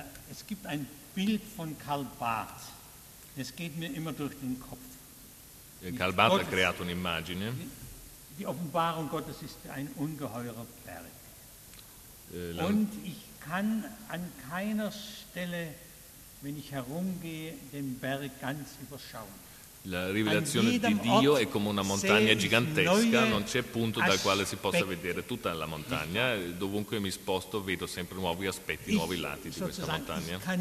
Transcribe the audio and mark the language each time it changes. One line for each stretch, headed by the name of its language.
German: Es gibt ein Bild von Karl Barth. Das geht mir immer durch den Kopf.
Italian: Karl Barth hat creato un'immagine.
German: Die Offenbarung Gottes ist ein ungeheurer Berg. Und ich kann an keiner Stelle, wenn ich herumgehe, den Berg ganz überschauen.
Italian: La rivelazione di Dio è come una montagna gigantesca, non c'è punto dal quale si possa vedere tutta la montagna, dovunque mi sposto vedo sempre nuovi aspetti, nuovi lati di questa montagna.